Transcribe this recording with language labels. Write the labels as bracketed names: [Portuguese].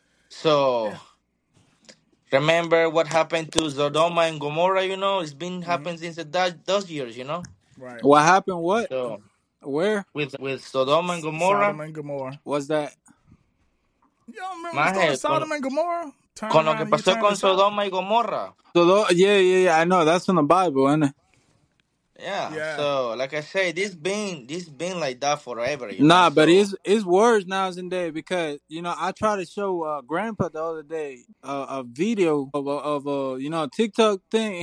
[English] So remember what happened to Sodoma and Gomorrah. You know, it's been happening since those years. You know, right? What happened? What? So, where with Sodoma and Gomorrah? Sodom and Gomorrah. Was that? You don't remember my head, Sodom and Gomorrah. [Spanish] Con lo que pasó con Sodoma y Gomorrah. [English] Yeah. I know that's in the Bible, isn't it? Yeah, so like I say, this been like that forever. You know? Nah, but it's worse now and day because you know I tried to show Grandpa the other day a video of a TikTok thing.